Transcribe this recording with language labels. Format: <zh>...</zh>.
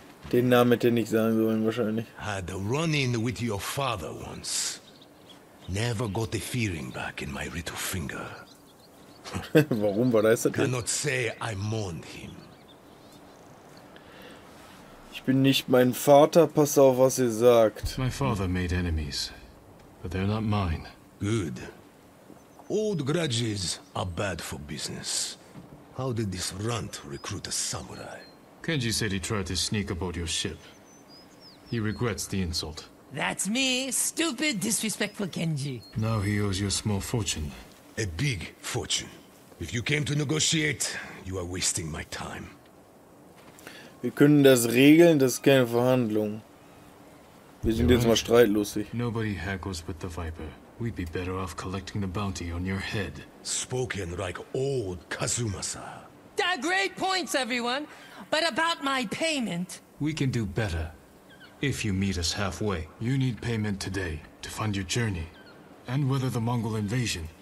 <de>Den Namen hätte ich nicht sagen sollen, wahrscheinlich.</de> <en>Had a run-in with your father once. Never got the feeling back in my little finger.</en> <de>Warum war das denn?</de> <en>Cannot say I mourned him.</en> <de>Ich bin nicht mein Vater, pass auf, was ihr sagt.</de> <en>My father made enemies, but they're not mine. Good. Old grudges are bad for business. How did this runt recruit a samurai? Kenji said he tried to sneak aboard your ship. He regrets the insult. That's me, stupid, disrespectful Kenji. Now he owes you a small fortune. A big fortune. If you came to negotiate, you are wasting my time.</en> <de>Wir können das regeln, das ist keine Verhandlung. Wir sind jetzt mal streitlustig.</de> <en>Nobody haggles with the Viper. We'd be better off collecting the bounty on your head. Spoken like old Kazuma-sa. Great points, everyone. But about my payment... We can do better. If you meet us halfway, you need payment today to fund your journey and weather the Mongol invasion.</en>